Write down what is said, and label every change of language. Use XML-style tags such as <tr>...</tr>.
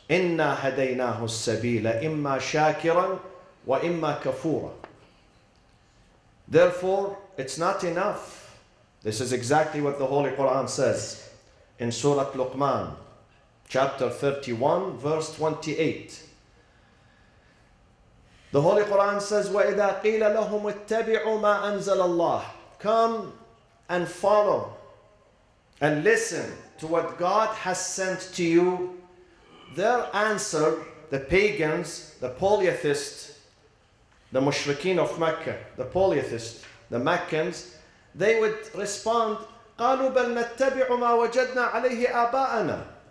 <ar>إِنَّا هَدَيْنَاهُ السَّبِيلَ إِمَّا شَاكِرًا وَإِمَّا كَفُورًا.</ar> <en>Therefore, it's not enough. This is exactly what the Holy Quran says in Surah Luqman, chapter 31, verse 28. The Holy Quran says,</en> <ar>وَإِذَا قِيلَ لَهُمْ اتَّبِعُوا مَا أَنزَلَ اللَّهُ.</ar> <en>Come and follow and listen to what God has sent to you. Their answer, the pagans, the polytheists, the mushrikeen of Mecca, the polytheists, the Meccans, they would respond,</en> <ar>قَالُوا بَلْ نَتَّبِعُ مَا وَجَدْنَا عَلَيْهِ أَبَاءَنَا.</ar>